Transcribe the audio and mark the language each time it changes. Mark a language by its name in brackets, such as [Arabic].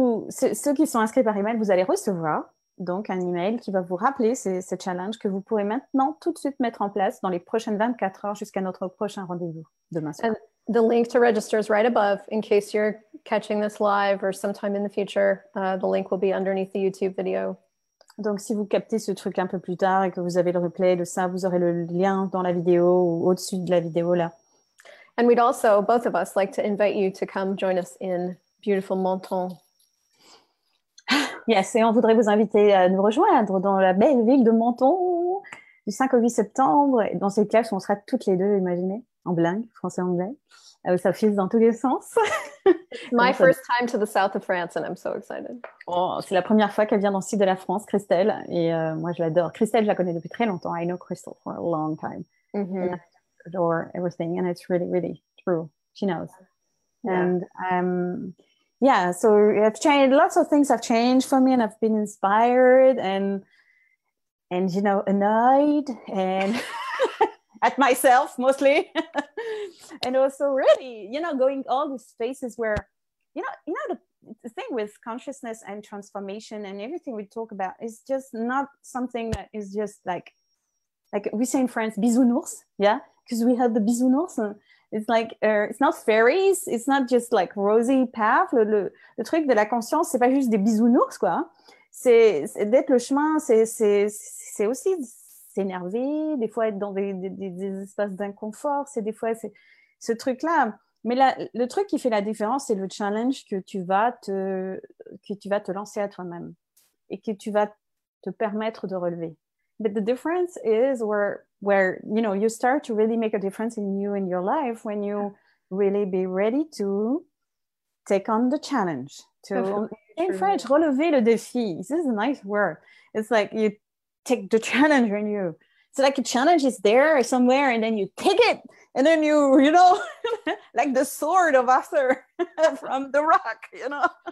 [French] Ceux qui sont inscrits par email, vous allez recevoir donc un email qui va vous rappeler ce challenge que vous pourrez maintenant tout de suite mettre en place dans les prochaines 24 heures jusqu'à notre prochain rendez-vous demain soir. [English] And the link to register is right above in case you're catching this live or sometime in the future. The link will be underneath the YouTube video. [French] Donc si vous captez ce truc un peu plus tard et que vous avez le replay de ça, vous aurez le lien dans la vidéo ou au-dessus de la vidéo là. [English] And we'd also, both of us, like to invite you to come join us in beautiful Menton. [French] Yes, et on voudrait vous inviter à nous rejoindre dans la belle ville de Menton du 5 au 8 septembre, dans cette classe où on sera toutes les deux, imaginez, en blingue, français-anglais, où ça file dans tous les sens. [English] It's my first time to the south of France and I'm so excited. [French] Oh, c'est la première fois qu'elle vient dans le sud de la France, Christel, et moi je l'adore. Christel, je la connais depuis très longtemps. [English] I know Christel for a long time. [French] Mm-hmm. [English] And I adore everything and it's really, really true. She knows. Yeah. And yeah, so I've changed. Lots of things have changed for me, and I've been inspired and you know, annoyed and at myself mostly, and also really, you know, going all these spaces where, you know, the thing with consciousness and transformation and everything we talk about is just not something that is just like we say in France, bisounours, yeah, because we had the bisounours. It's like, it's not fairies, it's not just like rosy path. [French] Le truc de la conscience, c'est pas juste des bisounours, quoi. C'est d'être le chemin, c'est aussi s'énerver, des fois être dans des espaces d'inconfort, c'est des fois c'est ce truc-là. Mais le truc qui fait la différence, c'est le challenge que tu vas te lancer à toi-même et que tu vas te permettre de relever. [English] But the difference is where you know you start to really make a difference in you and your life when you really be ready to take on the challenge. In French, [French] relever le défi. [English] This is a nice word. It's like you take the challenge in you. It's like a challenge is there somewhere, and then you take it, and then you know, like the sword of Arthur from the rock, you know.